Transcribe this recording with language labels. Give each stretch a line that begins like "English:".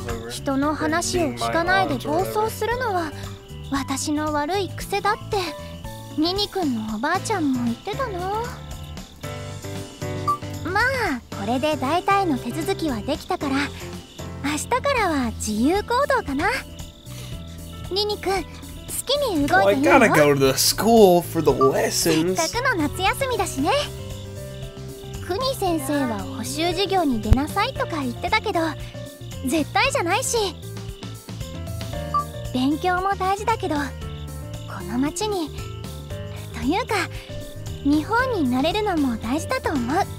Japanese: 人の話を聞かないで暴走するのは私の悪い癖だって、ニニ君のおばあちゃんも言ってたの。まあこれで大体の手続きはできたから、明日からは自由行動かな。ニニ君、
English: Well, I gotta go to the school for the lessons.
Japanese: せっかくの夏休みだしね。クニ先生は補習授業に出なさいとか言ってたけど、絶対じゃないし。勉強も大事だけど、この町に、というか日本に慣れるのも大事だと思う。